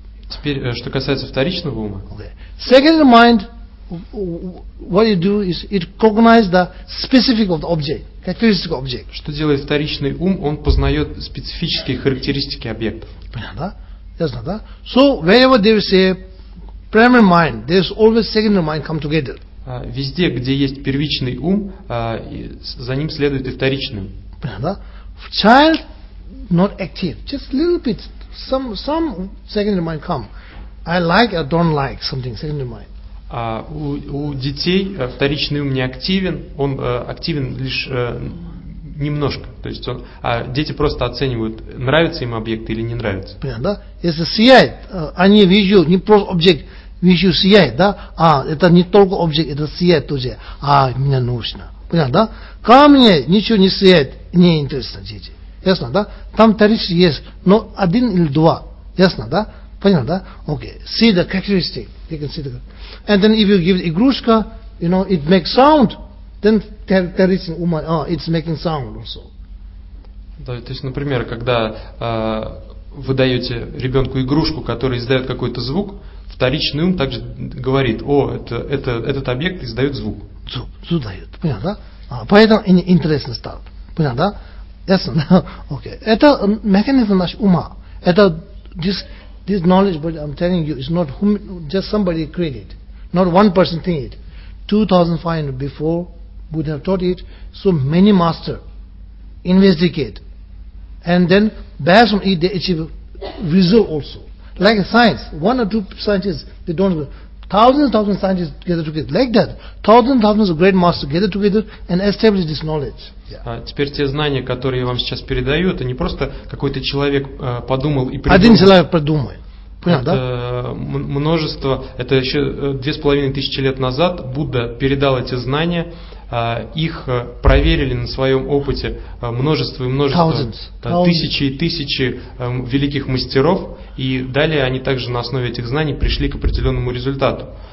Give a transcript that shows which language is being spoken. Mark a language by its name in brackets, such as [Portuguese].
[Russian] Теперь, что касается вторичного ума. Okay. [English] Second mind, what you do is it cognizes the specific of the object. [Russian] Что делает вторичный ум? Он познает специфические характеристики объектов. Понятно, да? Ясно, да? [English] So, wherever there is a primary mind, there is always secondary mind come together. [Russian] Везде, где есть первичный ум, за ним следует и вторичный ум. Понятно, да? [English] Child not active, just little bit some secondary mind come. I like or don't like something secondary mind. [Russian] У детей вторичный ум не активен, он активен лишь немножко. То есть он, дети просто оценивают, нравится им объект или не нравится. Понятно, да? Если сияет, они вижу не просто объект, вижу сияет, да? А это не только объект, это сияет тоже. А мне нужно. Понятно, да? Камни ничего не сияет, не интересно дети. Ясно, да? Там вторичный есть, но один или два. Ясно, да? Понятно, да? Окей. [English] See the characteristic. You can see the. And then if you give the игрушка, you know, it makes sound, then there is woman, it's making sound also. [Russian] Да, то есть, например, когда вы даете ребенку игрушку, которая издает какой-то звук, вторичный ум также говорит, о, этот объект издает звук. Звук дает, понятно, да? Поэтому интересно стало. Понятно, да? Ясно, да? Окей. Это механизм наш ума. Это [English] this knowledge, but I'm telling you, is not whom, just somebody created. Not one person think it. 2500 before Buddha have taught it, so many master investigate. And then based on it, they achieve result also. Like a science, one or two scientists, they don't, thousands and thousands of scientists gather together. Like that, thousands and thousands of great masters gather together and establish this knowledge. [Russian] Теперь те знания, которые я вам сейчас передаю, это не просто какой-то человек подумал и придумал. Один человек придумает. Это множество, это еще 2500 лет назад Будда передал эти знания, их проверили на своем опыте множество и множество, тысячи и тысячи великих мастеров, и далее они также на основе этих знаний пришли к определенному результату.